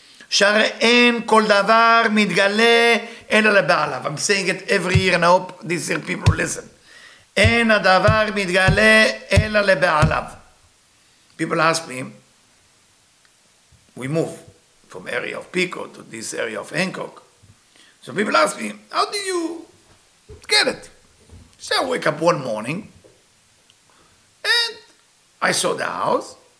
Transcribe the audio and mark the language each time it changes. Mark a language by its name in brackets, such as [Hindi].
[Hebrew] שהרי אין כל דבר מתגלה אלא לבעליו. [English] I'm saying it every year and I hope these are people who listen. [Hebrew] אין הדבר מתגלה אלא לבעליו. [English] People ask me, we move from area of Pico to this area of Hancock. So people ask me, how do you get it? So I wake up one morning and I saw the house.